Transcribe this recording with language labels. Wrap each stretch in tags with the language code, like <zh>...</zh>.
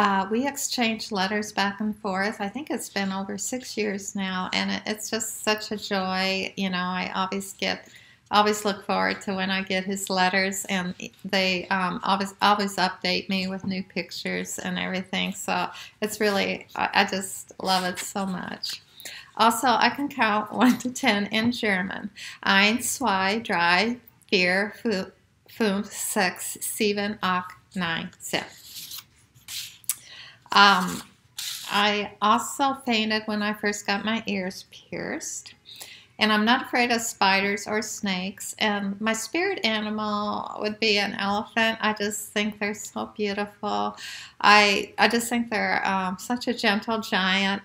<en>We exchange letters back and forth. I think it's been over 6 years now, and it's just such a joy. I always look forward to when I get his letters, and they always update me with new pictures and everything. So it's really, I just love it so much. Also, I can count 1 to 10 in German.</en> <de>Ein, zwei, drei, vier, fünf, sechs, sieben, acht, neun, zehn.</de> <en>I also fainted when I first got my ears pierced. And I'm not afraid of spiders or snakes. And my spirit animal would be an elephant. I just think they're so beautiful. I just think they're such a gentle giant.</en>